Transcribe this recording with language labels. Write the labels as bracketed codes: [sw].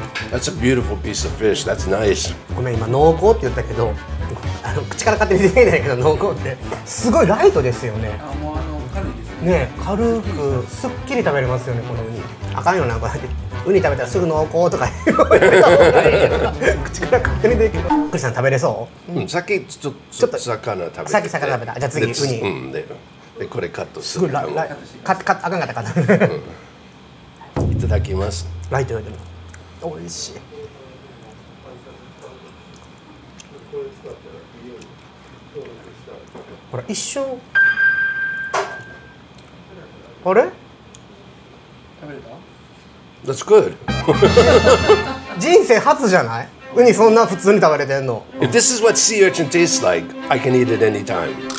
[en] That's a beautiful piece of fish. That's nice. [ja] ごめん、今濃厚って言ったけど、あの口から勝手に出てないけど濃厚ってすごいライトですよね。あ、もうあの軽いですね。ね、軽くすっきり食べれますよね、このウニ。あかんよな、こうやってウニ食べたらすぐ濃厚とか言う口から勝手に出てくる。クリスさん食べれそう？うん、さっきちょっと魚食べて、さっき魚食べた、じゃあ次ウニ、うん、でこれカットする、すごいライカット、あかんかったかな、うん、いただきます。ライトよりも美味しい。ほら一瞬、あれ食べれた？ [en] That's good [ja] 人生初じゃない？ウニそんな普通に食べれてんの。 [en] If this is what sea urchin tastes like, I can eat it anytime.